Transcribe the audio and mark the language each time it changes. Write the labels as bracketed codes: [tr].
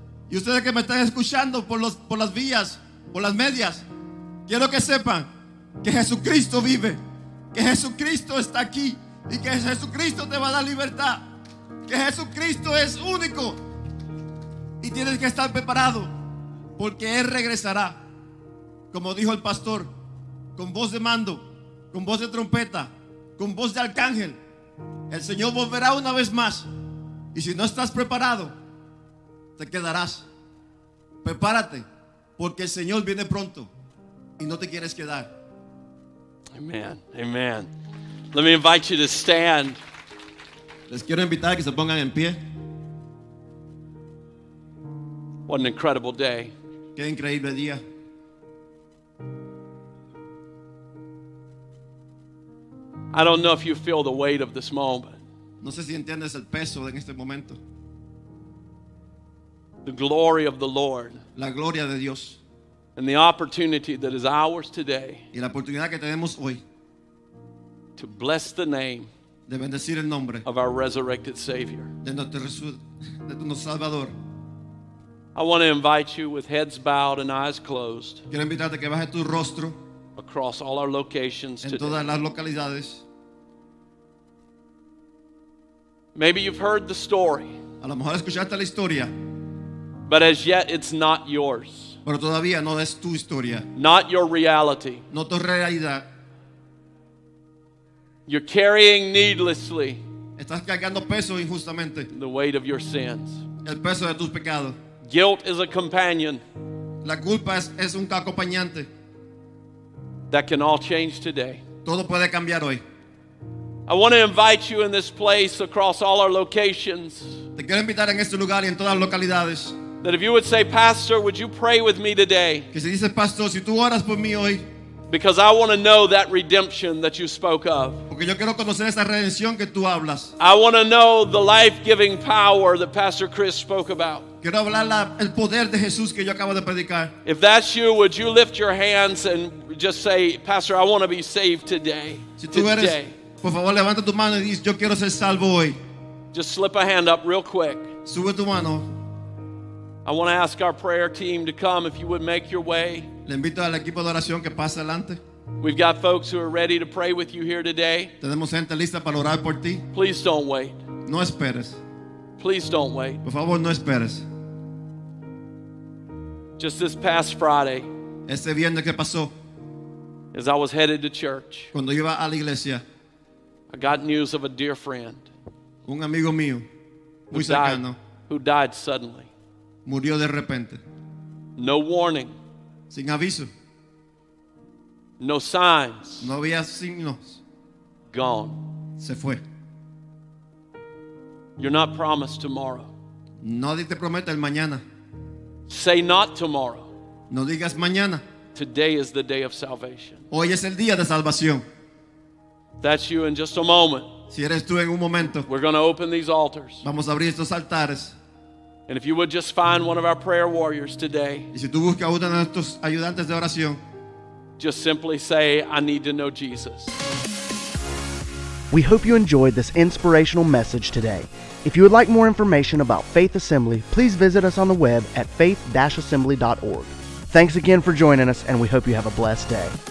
[es] Y ustedes que me están escuchando por las vías, por las medias, quiero que sepan que Jesucristo vive, que Jesucristo está aquí y que Jesucristo te va a dar libertad, que Jesucristo es único y tienes que estar preparado, porque Él regresará, como dijo el pastor, con voz de mando, con voz de trompeta, con voz de arcángel. El Señor volverá una vez más, y si no estás preparado, te quedarás. Prepárate, porque el Señor viene pronto y no te quieres quedar. Amen, amen. [en] Let me invite you to stand. [es] Les quiero invitar a que se pongan en pie. [en] What an incredible day. [es] Qué increíble día. [en] I don't know if you feel the weight of this moment. [es] No sé si entiendes el peso en este momento. [en] The glory of the Lord. [es] La gloria de Dios. [en] And the opportunity that is ours today. [es] Y la oportunidad que tenemos hoy. [en] To bless the name. [es] De bendecir el nombre. [en] Of our resurrected Savior. [es] De nuestro Salvador. [en] I want to invite you with heads bowed and eyes closed. [es] Quiero invitarte que bajes tu rostro. [en] Across all our locations [es] en todas las localidades. [en] Maybe you've heard the story. [es] A lo mejor escuchaste la historia. [en] But as yet it's not yours. [es] Pero todavía no es tu historia. [en] Not your reality. [es] No tu realidad. [en] You're carrying needlessly. [es] Estás cargando peso injustamente. [en] The weight of your sins. [es] El peso de tus pecados. [en] Guilt is a companion. [es] La culpa es un acompañante. [en] That can all change today. [es] Todo puede cambiar hoy. [en] I want to invite you in this place across all our locations. [es] Te quiero invitar en este lugar y en todas las localidades. [en] That if you would say, Pastor, would you pray with me today? [es] Que si dices, Pastor, si tú oras por mí hoy. [en] Because I want to know that redemption that you spoke of. [es] Porque yo quiero conocer esa redención que tú hablas. [en] I want to know the life-giving power that Pastor Chris spoke about. [es] Quiero hablar el poder de Jesús que yo acabo de predicar. [en] If that's you, would you lift your hands and just say, Pastor, I want to be saved today. [es] Si tú eres, [en] today. [es] Por favor, levanta tu mano y dice, yo quiero ser salvo hoy. [en] Just slip a hand up real quick. [es] Sube tu mano. [en] I want to ask our prayer team to come if you would make your way. [es] Le invito al equipo de oración que pase adelante. [en] We've got folks who are ready to pray with you here today. [es] Tenemos gente lista para orar por ti. [en] Please don't wait. [es] No esperes. [en] Please don't wait. [es] Por favor, no esperes. [en] Just this past Friday. [es] Este viernes que pasó. [en] As I was headed to church. [es] Cuando iba a la iglesia. [en] I got news of a dear friend. [es] Un amigo mío. Muy cercano. [en] Who died suddenly. [es] Murió de repente. [en] No warning. [es] Sin aviso. [en] No signs. [es] No había signos. [en] Gone. [es] Se fue. [en] You're not promised tomorrow. [es] Nadie te promete el mañana. [en] Say not tomorrow. [es] No digas mañana. [en] today is the day of salvation. [es] Hoy es el día de salvación. [en] That's you in just a moment. [es] Si eres tú en un momento. [en] We're going to open these altars. [es] Vamos a abrir estos altares. [en] And if you would just find one of our prayer warriors today. [es] Y si tú buscas uno de nuestros ayudantes de oración. [en] Just simply say, I need to know Jesus. We hope you enjoyed this inspirational message today. If you would like more information about Faith Assembly, please visit us on the web at faith-assembly.org. Thanks again for joining us, and we hope you have a blessed day.